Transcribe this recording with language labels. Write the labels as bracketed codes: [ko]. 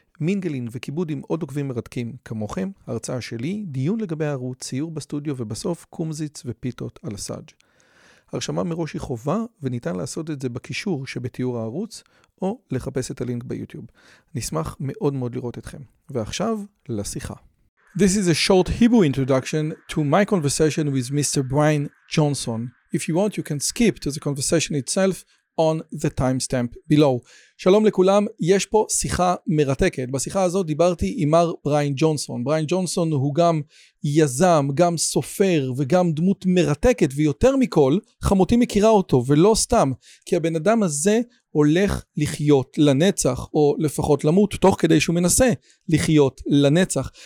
[he] מינגלין וכיבוד עם עוד עוקבים מרתקים כמוכם, הרצאה שלי, דיון לגבי הערוץ, ציור בסטודיו ובסוף קומזיץ ופיתות על הסאג'. הרשמה מראש היא חובה וניתן לעשות את זה בקישור שבתיאור הערוץ או לחפש את הלינק ביוטיוב. נשמח מאוד מאוד לראות אתכם. ועכשיו לשיחה. [en] This is a short Hebrew introduction to my conversation with Mr. Brian Johnson. If you want, you can skip to the conversation itself on the timestamp below. [he] שלום לכולם, יש פה שיחה מרתקת. בשיחה הזאת דיברתי עם מר בריין ג'ונסון. בריין ג'ונסון הוא גם יזם, גם סופר וגם דמות מרתקת, ויותר מכל, חמותי מכירה אותו, ולא סתם, כי הבן אדם הזה הולך לחיות לנצח, או לפחות למות, תוך כדי שהוא מנסה לחיות לנצח.